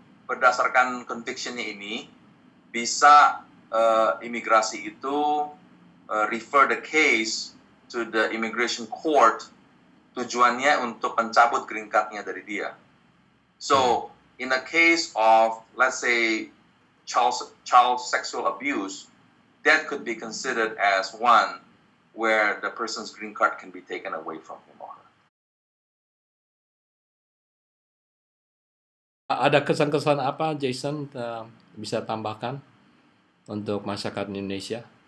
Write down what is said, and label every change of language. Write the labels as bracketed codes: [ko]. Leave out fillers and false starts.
[id] Berdasarkan convictionnya ini bisa imigrasi itu [en] refer the case to the immigration court [id] tujuannya untuk mencabut green card-nya dari dia. [en] So in a case of let's say child sexual abuse, that could be considered as one where the person's green card can be taken away from him. [id] Ada kesan-kesan apa, Jason, bisa tambahkan untuk masyarakat Indonesia?